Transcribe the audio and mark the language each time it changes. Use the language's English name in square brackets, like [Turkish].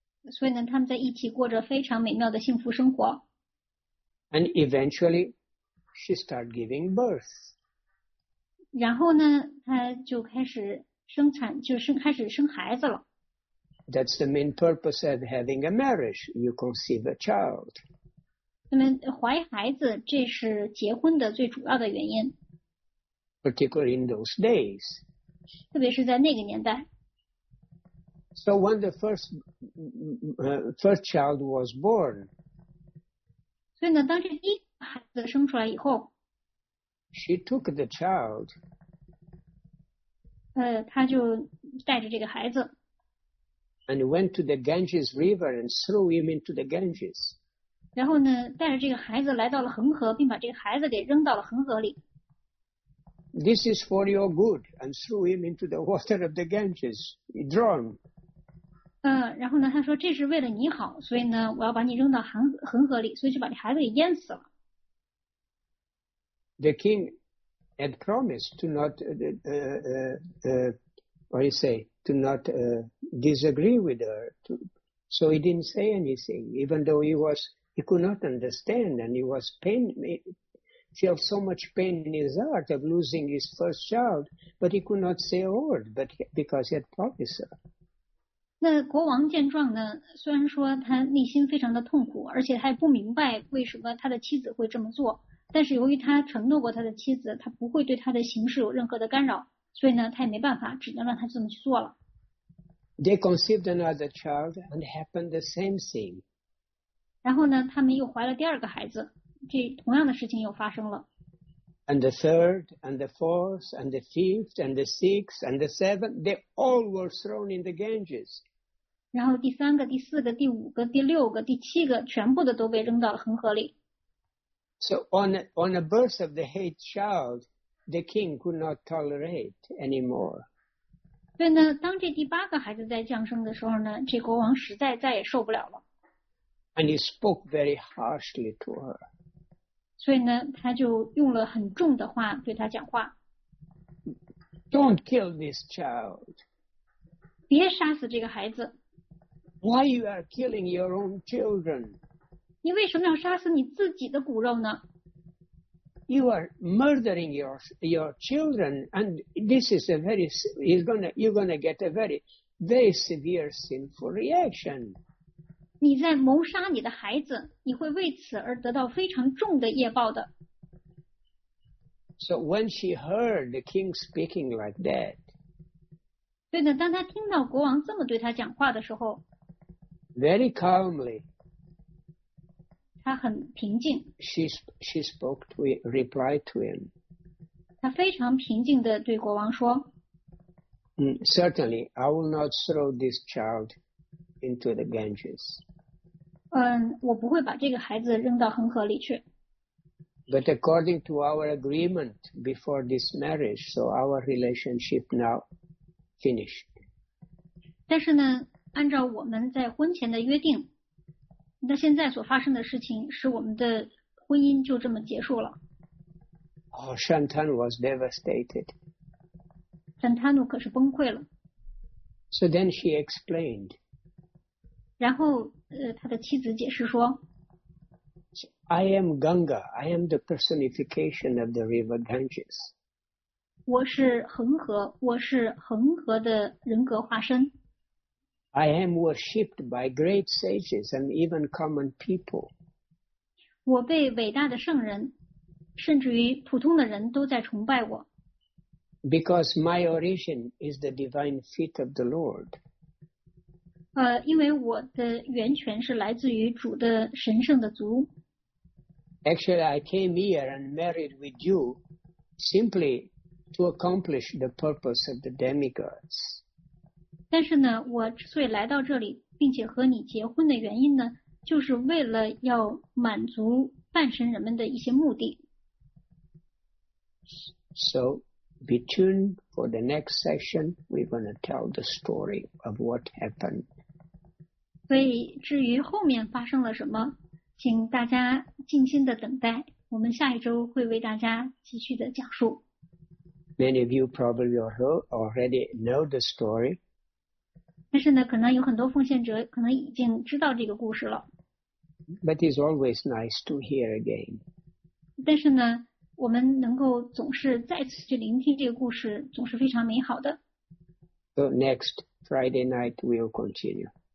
[Chinese] 所以呢，他们在一起过着非常美妙的幸福生活。 [English] And eventually, she started giving birth. [Chinese] 然后呢，她就开始生产，就生开始生孩子了。 [English] That's the main purpose of having a marriage. You conceive a child. [Chinese] 那么怀孩子，这是结婚的最主要的原因。 [English] particularly in those days. [Chinese] 特别是在那个年代。 [English] So when the first child was born, [Chinese] 所以呢，当这第一个孩子生出来以后， [English] she took the child. [Chinese] 她就带着这个孩子。 [English] And went to the Ganges River and threw him into the Ganges. [Chinese] 然后呢，带着这个孩子来到了恒河，并把这个孩子给扔到了恒河里。 [English] This is for your good, and threw him into the water of the Ganges. He drowned. [Chinese] 然后呢，他说这是为了你好，所以呢，我要把你扔到恒河里，所以就把这孩子给淹死了。 [English] The king had promised to not, disagree with her, so he didn't say anything, even though he could not understand, and he was felt so much pain in his heart of losing his first child, but he could not say a word, because he had promised her. [Chinese] 那国王见状呢，虽然说他内心非常的痛苦，而且他也不明白为什么他的妻子会这么做，但是由于他承诺过他的妻子，他不会对他的行事有任何的干扰，所以呢，他也没办法，只能让他这么去做了。 [English] They conceived another child and happened the same thing. [Chinese] 然后呢，他们又怀了第二个孩子，这同样的事情又发生了。 [English] And the third, and the fourth, and the fifth, and the sixth, and the seventh, they all were thrown in the Ganges. [Chinese] 然后第三个，第四个，第五个，第六个，第七个，全部的都被扔到了恒河里。 [English] So on the birth of the eighth child, the king could not tolerate anymore. [Chinese] 所以呢，当这第八个孩子在降生的时候呢，这国王实在再也受不了了。 [English] And he spoke very harshly to her. [Chinese] 所以呢，他就用了很重的话对他讲话。 [English] Don't kill this child. [Chinese] 别杀死这个孩子。 [English] Why you are killing your own children? [Chinese] 你为什么要杀死你自己的骨肉呢？ [English] You are murdering your children, and this is a very you're gonna get a very very severe sinful reaction. [Chinese] 你在谋杀你的孩子，你会为此而得到非常重的业报的。 [English] So when she heard the king speaking like that, [Chinese] 对的，当他听到国王这么对他讲话的时候 [English] ，very calmly. [Chinese] 她很平静。 [English] She spoke to him, replied to him. [Chinese] 她非常平静地对国王说。 [English] Certainly, I will not throw this child into the Ganges. [Chinese] 我不会把这个孩子扔到恒河里去。 [English] But according to our agreement before this marriage, so our relationship now finished. [Chinese] 但是呢，按照我们在婚前的约定。那现在所发生的事情使我们的婚姻就这么结束了。 [English] Oh, Shantanu was devastated. [Chinese] Shantanu 可是崩溃了。 [English] So then she explained. [Chinese] 然后他的妻子解释说 [English] I am Ganga. I am the personification of the river Ganges. [Chinese] 我是恒河，我是恒河的人格化身。 [English] I am worshipped by great sages and even common people. [Chinese] 我被伟大的圣人，甚至于普通的人都在崇拜我。 [English] Because my origin is the divine feet of the Lord. [Chinese] 因为我的源泉是来自于主的神圣的足。 [English] Actually, I came here and married with you simply to accomplish the purpose of the demigods. [Chinese] 但是呢，我之所以来到这里，并且和你结婚的原因呢，就是为了要满足半神人们的一些目的。 [English] So, be tuned for the next session. We're going to tell the story of what happened. [Chinese] 所以，至于后面发生了什么，请大家静心的等待。我们下一周会为大家继续的讲述。 [English] Many of you probably already know the story. [Chinese] 但是呢，可能有很多奉献者可能已经知道这个故事了。 [English] But it's always nice to hear again. [Chinese] 但是呢，我们能够总是再次去聆听这个故事，总是非常美好的。 [English] So next Friday night we'll continue.